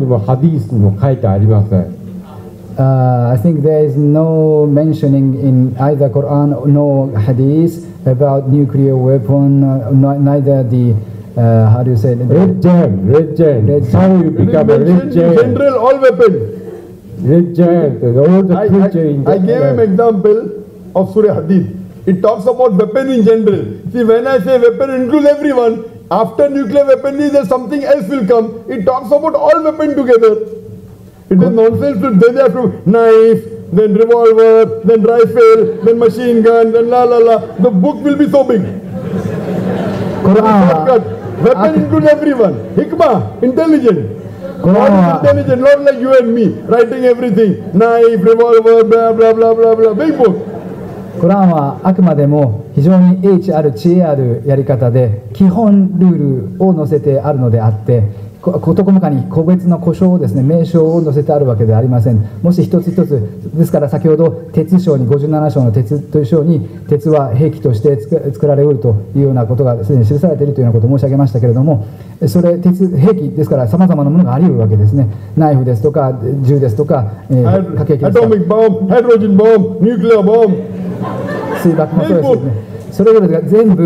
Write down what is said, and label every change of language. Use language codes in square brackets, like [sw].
[ja] 既にあるとしたら、それ以上何をお求めになるのでしょうか。例えば核兵器で全滅するとか、太陽が赤色巨星になって地球の生物が全滅するとか、そういう新しい科学的知識はクルアンにもハディースにも書いてありません。 [en] I think there is no mentioning in either Quran nor Hadith about nuclear weapon, neither the how do you say it? Red giant. How you become a red giant? General, all weapon. Red giant. I gave an example of Surah Hadid. It talks about weapon in general. See, when I say weapon, includes everyone. After nuclear weapon, there something else will come. It talks about all weapon together. It is nonsense to then they have to knife, then revolver, then rifle, then machine gun, then la la la. The book will be so big. Quran. Weapon includes everyone. Hikmah, intelligent. God is intelligent, not like you and me, writing everything. Knife, revolver, blah, blah, blah, blah, blah. Big book. Quran is [ja] あくまでも非常に英知ある知恵あるやり方で基本ルールを載せてあるのであって、 個々に個別の故障をですね、名称を載せてあるわけではありません。もし一つ一つですから、先ほど鉄章に57章の鉄という章に鉄は兵器として作られるというようなことがすでに記されているということを申し上げましたけれども、それ兵器ですから、様々なものがあり得るわけですね。ナイフですとか銃ですとか、火炎器ですね。